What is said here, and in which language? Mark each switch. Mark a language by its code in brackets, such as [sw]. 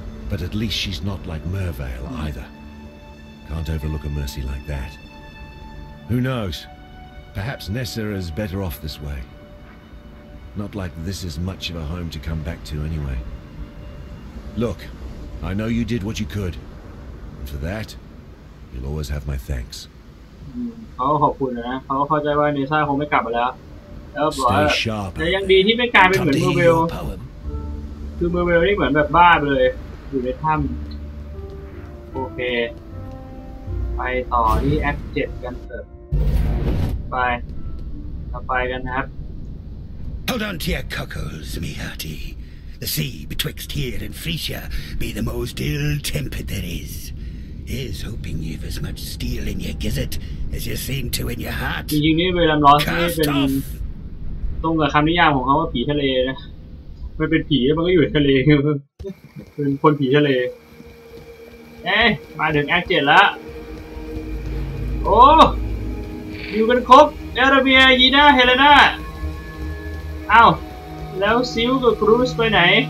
[en] But at least she's not like Mervale either. Can't overlook a mercy like that. Who knows? Perhaps Nessa is better off this way. Not like this is much of a home to come back to anyway. Look, I know you did what you could. And for that, you'll always have my thanks. [th] เขาขอบคุณนะเขาเข้าใจว่าเนซ่าคงไม่กลับมาแล้วแล้วบอกว่าจะยังดีที่ไม่กลายเป็นเหมือนเมอร์เวลคือเมอร์เวลนี่เหมือนแบบบ้าไปเลยอยู่ในถ้ำโอเคไปต่อที่แอค7กันเถอะไปเราไปกันนะครับ [en] Hold on to your cockles, me hearty. The sea betwixt here and Frisia be the most ill-tempered there is. Is hoping you've as much steel in your gizzard as you seem to in your heart. [th] จริงๆนี่เวลามลอสนี่เป็นตรงกับคำนิยามของเขาว่าผีทะเลนะมันเป็นผีมันก็อยู่ทะเลเป็นคนผีทะเลเอ๊ะมาถึงแอคเจ็ดแล้วโอ้ยอยู่กันครบเอราเบียยีน่าเฮเลน่าเอ้าแล้วซิลกับครูสไปไหน